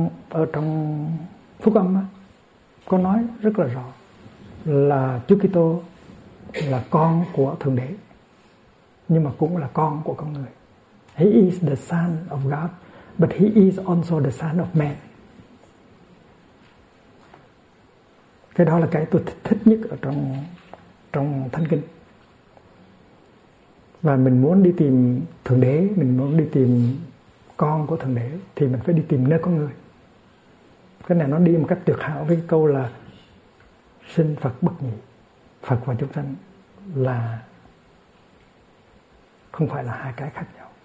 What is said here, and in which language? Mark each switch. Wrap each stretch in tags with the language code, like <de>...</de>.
<vi>Ở trong Phúc Âm có nói rất là rõ là Chúa Kitô là con của Thượng Đế, nhưng mà cũng là con của con người.</vi> <en>He is the son of God, but he is also the son of man.</en> <vi>Cái đó là cái tôi thích nhất ở trong Thánh Kinh. Và mình muốn đi tìm Thượng Đế, mình muốn đi tìm con của Thượng Đế, thì mình phải đi tìm nơi con người. Cái này nó đi một cách tuyệt hảo với câu là sinh Phật bất nhị, Phật và chúng sanh là không phải là hai cái khác nhau.</vi>